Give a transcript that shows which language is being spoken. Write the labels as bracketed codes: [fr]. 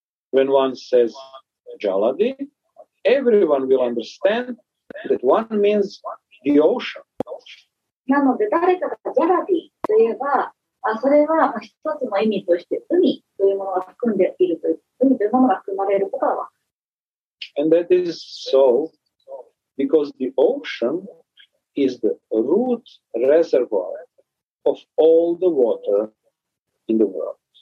[en] When one says Jaladi, everyone will understand that one means the ocean. [ja] なので誰かがジャラディと言えば、それは一つの意味として海というものが含んでいるという、海というものが含まれることは分かる。 [en] And that is so because the ocean is the root reservoir of all the water in the world.